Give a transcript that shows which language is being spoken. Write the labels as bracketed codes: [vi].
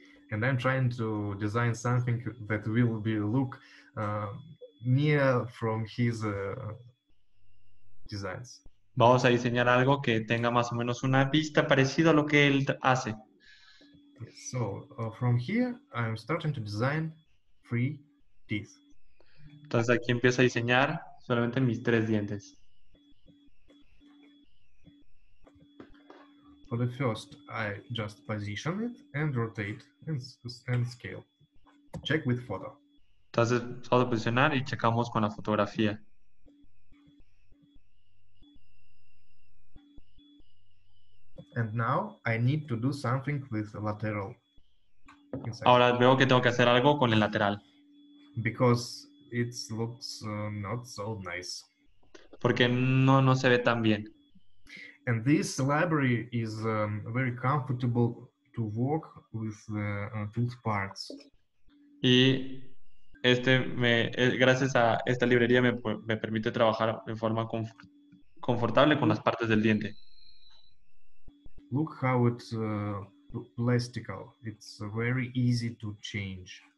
[en] And I'm trying to design something that will be look near from his designs. [es] Vamos a diseñar algo que tenga más o menos una vista parecida a lo que él hace. [en] So, from here, I'm starting to design three teeth. [es] Entonces aquí empiezo a diseñar solamente mis tres dientes. [en] For the first, I just position it and rotate and scale. Check with photo. [es] Entonces, solo posicionar y checamos con la fotografía. [en] And now I need to do something with the lateral. Inside. [es] Ahora veo que tengo que hacer algo con el lateral. [en] Because it looks not so nice. [es] Porque no se ve tan bien. [en] And this library is very comfortable to work with the tooth parts. [es] Y gracias a esta librería me permite trabajar en forma confortable con las partes del diente. [en] Look how it's plastical. It's very easy to change.